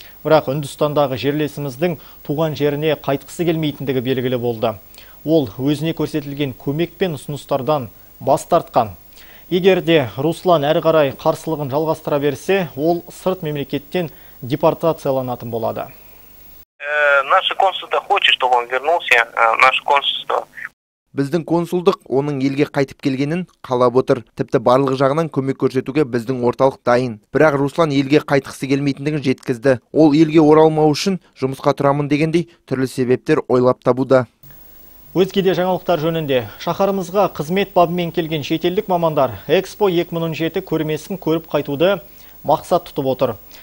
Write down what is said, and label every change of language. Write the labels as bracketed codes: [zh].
[kk] бірақ Үндістандағы жерлесіміздің туған жеріне қайтқысы келмейтіндігі белгілі болды. Ол өзіне көрсетілген көмек пен ұсыныстардан бас тартқан. Егер де Руслан әрі қарай қарсылығын жалғастыра берсе, ол сырт мемлекеттен депортацияланатын болады. [ru] Наше консулство хочет, чтобы он вернулся. Наше консулство. [kk] Біздің консулдық оның елге қайтып келгенін қалап отыр. Тіпті барлық жағынан көмек көрсетуге біздің орталық дайын. Бірақ Руслан елге қайтқысы келмейтіндігін жеткізді. Ол елге оралмау үшін жұмысқа тұрамын дегендей түрлі себептер ойлап табуда. Өзгеде жаңалықтар жөнінде, шаһарымызға қызмет бабымен келген шетелдік мамандар Экспо 2007 көрмесін көріп қайтуды мақсат тұтып отыр.